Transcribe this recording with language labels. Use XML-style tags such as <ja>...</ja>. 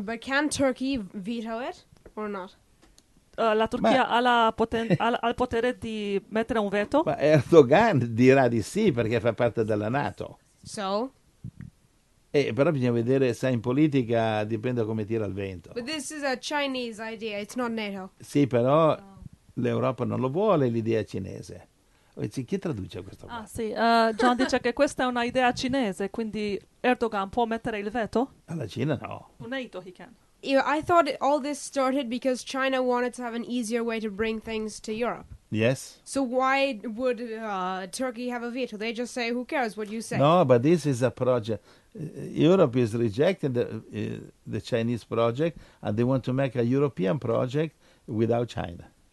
<en>But can Turkey veto it or not?</en> <it>La Turchia ha il potere di mettere un veto? Ma Erdogan dirà di sì, perché fa parte della NATO.</it> <en>So?</en> <it>Però bisogna vedere, sai, in politica dipende come tira il vento.</it> <en>But this is a Chinese idea, it's not NATO.</en> <it>Sì, però l'Europa non lo vuole l'idea cinese. Chi traduce questo? Ah, sì, John dice che questa è un'idea cinese, quindi Erdogan può mettere il veto? Alla Cina no.</it> <en>NATO he can. I thought all this started because China wanted to have an easier way to bring things to Europe. Yes. So why would Turkey have a veto? They just say, who cares what you say? No, but this is a project. Europe is rejecting the Chinese project, and they want to make a European project without China.</en>